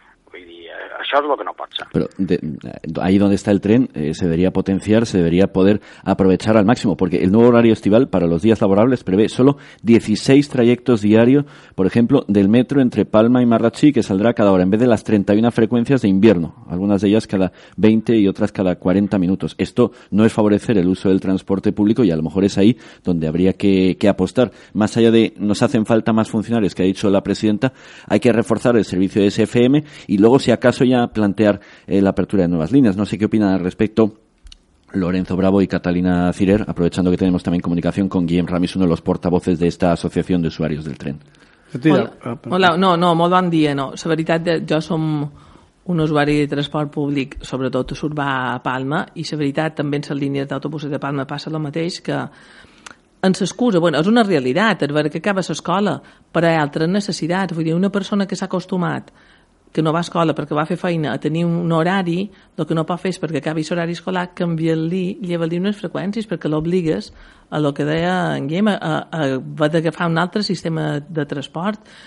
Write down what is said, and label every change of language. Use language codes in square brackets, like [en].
[ca] Vull dir, això és el que no pot ser. [es] Però ahí donde está el tren se debería potenciar, se debería poder aprovechar al máximo, porque el nuevo horario estival para los días laborables prevé solo 16 trayectos diarios, por ejemplo, del metro entre Palma y Marratxí, que saldrá cada hora, en vez de las 31 frecuencias de invierno, algunas de ellas cada 20 y otras cada 40 minutos. Esto no es favorecer el uso del transporte público y a lo mejor es ahí donde habría que apostar. Más allá de nos hacen falta más funcionarios, que ha dicho la presidenta, hay que reforzar el servicio de SFM y luego, si acaso, ya plantear la apertura de nuevas líneas. No sé qué opinan al respecto Lorenzo Bravo y Catalina Cirer, aprovechando que tenemos también comunicación con Guillem Ramis, uno de los portavoces de esta Asociación de Usuarios del Tren. [ca] Hola, no, molt bon dia. No. La veritat, jo som un usuari de transport públic, sobretot urbà a Palma, i la veritat, també en la línia d'autobuses de Palma passa el mateix, que en s'excusa, bueno, és una realitat, és veure que acaba l'escola, però hi ha altres necessitats. Vull dir, una persona que s'ha acostumat, que no va a escola perquè va a fer feina, a tenir un horari, el que no pot fer és perquè acabi l'horari escolar, canvia-li, lleva-li unes freqüències perquè l'obligues a el que deia en Guillem, a haver d'agafar un altre sistema de transport.